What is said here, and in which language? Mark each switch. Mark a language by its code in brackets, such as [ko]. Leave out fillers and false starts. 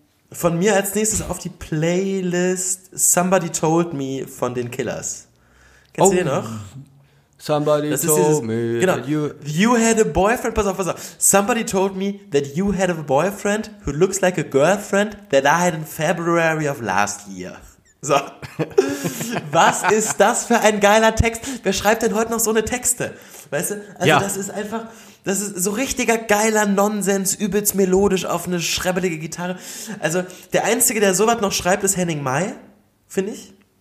[de] Von mir als nächstes auf die Playlist Somebody Told Me von den Killers. Kennst du den noch? [en] Somebody told me that you had a boyfriend. [de] Pass auf. [en] Somebody told me that you had a boyfriend who looks like a girlfriend that I had in February of last year. [de] So. Was ist das für ein geiler Text? Wer schreibt denn heute noch so eine Texte? Weißt du? Also, Das ist einfach, das ist so richtiger geiler Nonsens, übelst melodisch auf eine schrebbelige Gitarre. Also, der Einzige, der sowas noch schreibt, ist Henning Mai, finde ich.